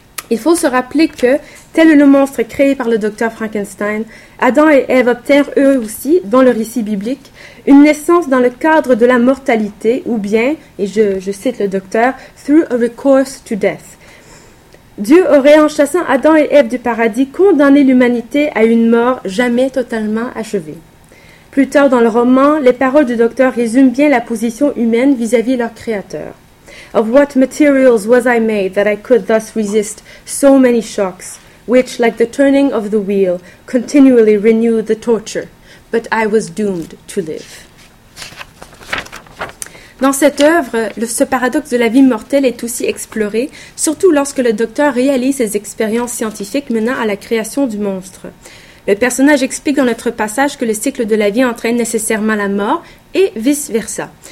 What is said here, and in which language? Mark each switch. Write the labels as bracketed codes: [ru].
[fr] Il faut se rappeler que, tel le monstre créé par le docteur Frankenstein, Adam et Ève obtinrent eux aussi, dans le récit biblique, une naissance dans le cadre de la mortalité, ou bien, et je cite le docteur, « [en] through a recourse to death ». [fr] Dieu aurait, en chassant Adam et Ève du paradis, condamné l'humanité à une mort jamais totalement achevée. Plus tard dans le roman, les paroles du docteur résument bien la position humaine vis-à-vis leur créateur. [en] Of what materials was I made that I could thus resist so many shocks, which, like the turning of the wheel, continually renewed the torture, but I was doomed to live. [fr] Dans cette œuvre, ce paradoxe de la vie mortelle est aussi exploré, surtout lorsque le docteur réalise ses expériences scientifiques menant à la création du monstre. Le personnage explique dans notre passage que le cycle de la vie entraîne nécessairement la mort, et vice-versa.